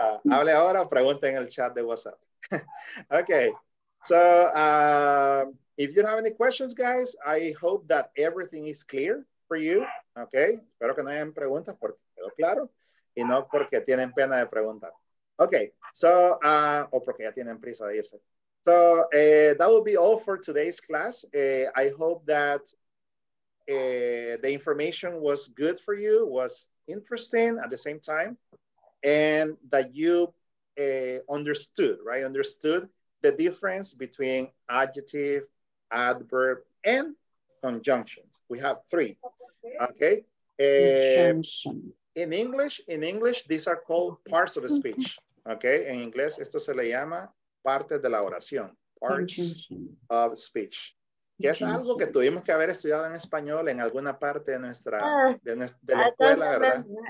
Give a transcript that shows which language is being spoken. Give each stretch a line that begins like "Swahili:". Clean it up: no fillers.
Spanish: Hable ahora o pregunte en el chat de WhatsApp. Okay.
English: So, if you don't have any questions, guys, I hope that everything is clear for you.
Spanish: Okay, espero que no hayan preguntas porque quedó claro y no porque tienen pena de preguntar. Okay, so, o porque ya tienen prisa de irse.
English: So that will be all for today's class. I hope that the information was good for you, was interesting at the same time, and that you understood, right? Understood the difference between adjective, adverb, and conjunctions. We have three, okay? In English, these are called parts of a speech, okay?
Spanish: En inglés, esto se le llama parte de la oración, parts of speech. Que es algo que tuvimos que haber estudiado en español en alguna parte de nuestra, de la escuela, ¿verdad?